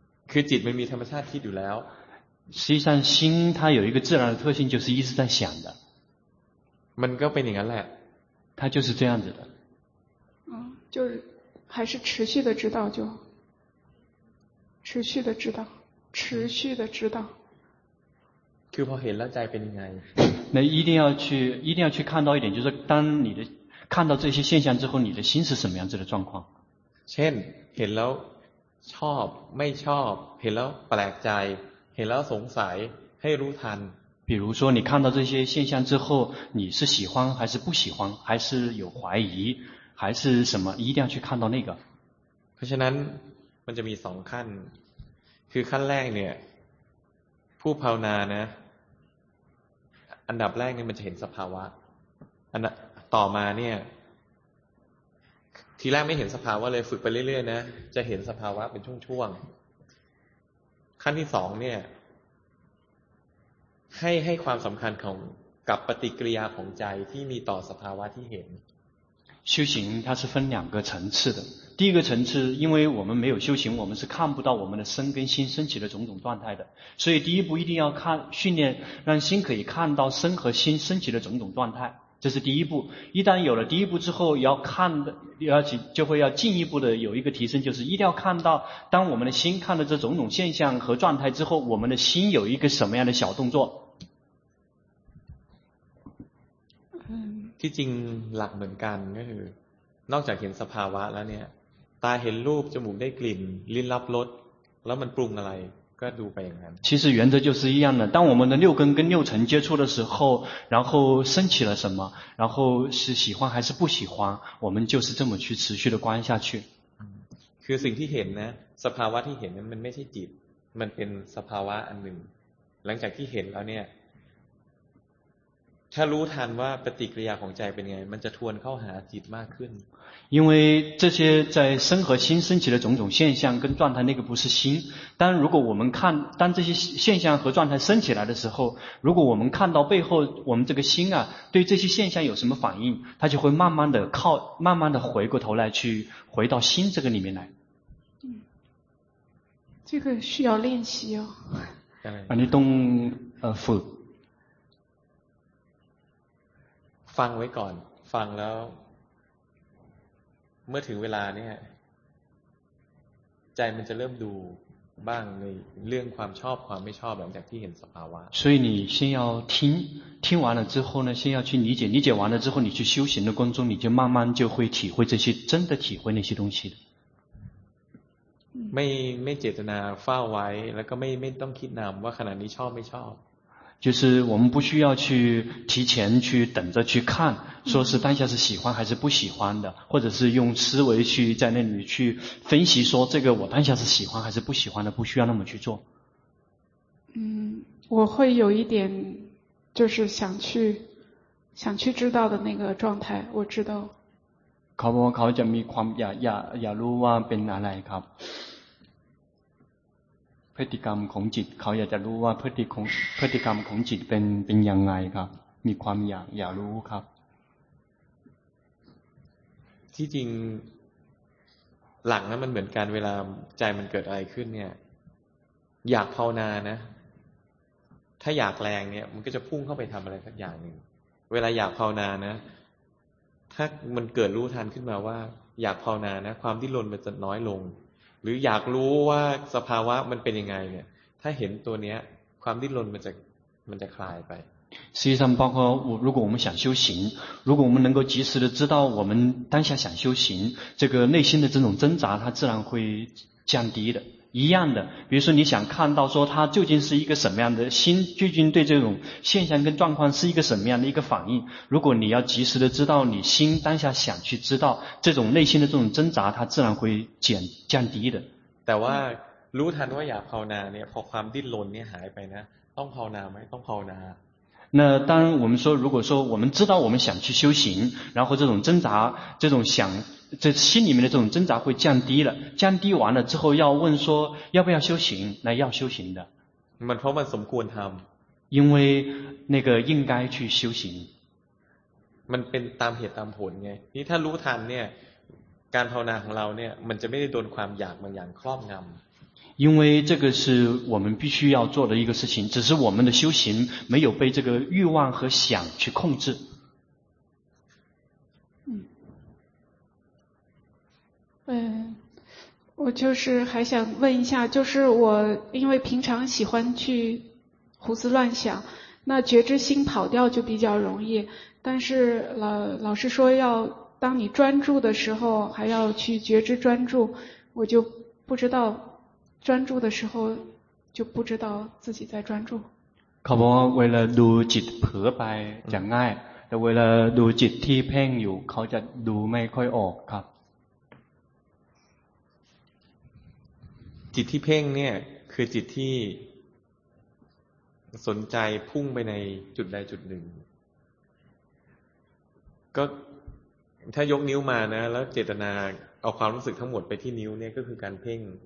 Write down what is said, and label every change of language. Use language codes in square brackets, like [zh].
[th] คือจิตมันมีธรรมชาติคิดอยู่แล้ว [zh] 实际上心它有一个自然的特性就是一直在想的 [th] มันก็เป็นอย่างนั้นแหละ [zh] 它就是这样子的就是还是持续的知道就持续的知道持续的知道 [th] คือพอเห็นแล้วใจเป็นยังไง [zh] 那一定要去看到一点就是当你的看到这些现象之后你的心是什么样子的状况 [th] เช่นเห็นแล้วชอบไม่ชอบเห็นแล้วแปลกใจเห็นแล้วสงสัยให้รู้ทัน [zh] 比如说你看到这些现象之后你是喜欢还是不喜欢还是有怀疑还是什么一定要去看到那个 [th] เพราะฉะนั้นมันจะมีสองขั้นคือขั้นแรกเนี่ยผู้ภาวนานะอันดับแรกเนี่ยมันจะเห็นสภาวะต่อมาเนี่ยทีแรกไม่เห็นสภาวะเลยฝึกไปเรื่อยๆนะจะเห็นสภาวะเป็นช่วงๆขั้นที่สองเนี่ยให้ความสำคัญของกับปฏิกิริยาของใจที่มีต่อสภาวะที่เห็น [zh] 修行它是分两个层次的第一个层次因为我们没有修行我们是看不到我们的身跟心升起的种种状态的所以第一步一定要看训练让心可以看到身和心升起的种种状态这是第一步一旦有了第一步之后要看的要就会要进一步的有一个提升就是一定要看到当我们的心看到这种种现象和状态之后我们的心有一个什么样的小动作 [th] ที่จริงหลักเหมือนกันก็คือนอกจากเห็นสภาวะแล้วเนี่ยตาเห็นรูปจมูกได้กลิ่นลิ้นรับรสแล้วมันปรุงอะไรก็ดูไปอย่างนั้น [zh] 其实原则就是一样的当我们的六根跟六尘接触的时候然后升起了什么然后是喜欢还是不喜欢我们就是这么去持续的观下去 [th] คือสิ่งที่เห็นนะสภาวะที่เห็นนั้นมันไม่ใช่จิตมันเป็นสภาวะอันหนึ่งหลังจากที่เห็นแล้วเนี่ย ถ้ารู้ทันว่าปฏิกิริยาของใจเป็นไงมันจะทวนเข้าหาจิตมากขึ้น [zh] 因为这些在身和心升起的种种现象跟状态那个不是心但如果我们看当这些现象和状态升起来的时候如果我们看到背后我们这个心啊对这些现象有什么反应它就会慢慢的靠慢慢的回过头来去回到心这个里面来这个需要练习哦啊你懂佛 [th] ฟังไว้ก่อนฟังแล้วเมื่อถึงเวลาเนี่ยใจมันจะเริ่มดูบ้างในเรื่องความชอบความไม่ชอบหลังจากที่เห็นสภาวะ [zh] 所以你先要听听完了之后呢先要去理解理解完了之后你去修行的过程中你就慢慢就会体会这些真的体会那些东西的 [th] ไม่เจตนาเฝ้าไว้แล้วก็ไม่ต้องคิดนำว่าขณะนี้ชอบไม่ชอบ [zh] 就是我们不需要去提前去等着去看说是当下是喜欢还是不喜欢的或者是用思维去在那里去分析说这个我当下是喜欢还是不喜欢的不需要那么去做嗯，我会有一点就是想去知道的那个状态我知道考不考 [th] จะมีความอยากรู้ว่าเป็นอะไรครับพฤติกรรมของจิตเขาอยากจะรู้ว่าพฤติกรรมของจิตเป็นยังไงครับมีความอยากรู้ครับ ที่จริงหลังนั้นมันเหมือนการเวลาใจมันเกิดอะไรขึ้นเนี่ยอยากภาวนานะถ้าอยากแรงเนี่ยมันก็จะพุ่งเข้าไปทำอะไรสักอย่างหนึ่งเวลาอยากภาวนานะถ้ามันเกิดรู้ทันขึ้นมาว่าอยากภาวนานะความที่ลนมันจะน้อยลงหรืออยากรู้ว่าสภาวะมันเป็นยังไงเนี่ยถ้าเห็นตัวเนี้ยความดิ้นรนมันจะคลายไป [zh] 实际上包括我如果我们想修行如果我们能够及时的知道我们当下想修行这个内心的这种挣扎它自然会降低的一样的比如说你想看到说它究竟是一个什么样的心究竟对这种现象跟状况是一个什么样的一个反应如果你要及时的知道你心当下想去知道这种内心的这种挣扎它自然会降低的 [th] แต่ว่ารู้ทันว่าอยากภาวนาเนี่ยพอความดิ้นรนเนี่ยหายไปนะต้องภาวนาไหมต้องภาวนา [zh] 那当我们说如果说我们知道我们想去修行然后这种挣扎这种想这心里面的这种挣扎会降低了降低完了之后要问说要不要修行那要修行的 [th] มันเพราะมันสมควรทำ [zh] 因为那个应该去修行 [th] มันเป็นตามเหตุตามผลไงนี่ถ้ารู้ทันเนี่ยการภาวนาของเราเนี่ยมันจะไม่ได้โดนความอยากบางอย่างครอบงำ [zh] 因为这个是我们必须要做的一个事情只是我们的修行没有被这个欲望和想去控制嗯，我就是还想问一下就是我因为平常喜欢去胡思乱想那觉知心跑掉就比较容易但是 老师说要当你专注的时候还要去觉知专注我就不知道专注的时候就不知道自己在专注可不为了 [th] ดูจิตเผลอไปจะง่ายแต่เวลาดูจิตที่เพ่งอยู่เขาจะดูไม่ค่อยออกครับ จิตที่เพ่งเนี่ยคือจิตที่สนใจพุ่งไปในจุดใดจุดหนึ่งก็ถ้ายกนิ้วมานะแล้วเจตนาเอาความรู้สึกทั้งหมดไปที่นิ้วเนี่ยก็คือการเพ่ง